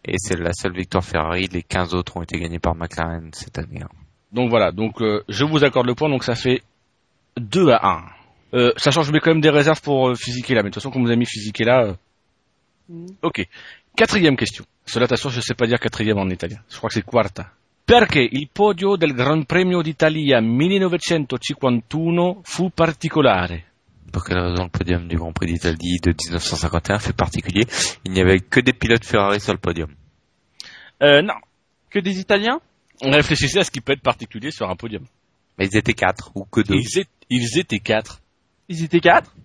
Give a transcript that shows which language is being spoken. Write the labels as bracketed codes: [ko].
[fr] Et c'est la seule victoire Ferrari. Les 15 autres ont été gagnés par McLaren cette année. Donc voilà. Donc je vous accorde le point. Donc ça fait 2-1. Sachant que je mets quand même des réserves pour Fisichella. Mais de toute façon, quand vous avez mis Fisichella, ok. Quatrième question. Cela, t'assure, je ne sais pas dire quatrième en italien. Je crois que c'est quarta. [it] Perché il podio del Gran Premio d'Italia 1951 fu particolare? [fr] Pour quelle raison le podium du Grand Prix d'Italie de 1951 fait particulier? Il n'y avait que des pilotes Ferrari sur le podium. Non. Que des Italiens? On réfléchissait à ce qui peut être particulier sur un podium. Mais ils étaient quatre, ou que deux. Ils étaient quatre. Ils étaient quatre?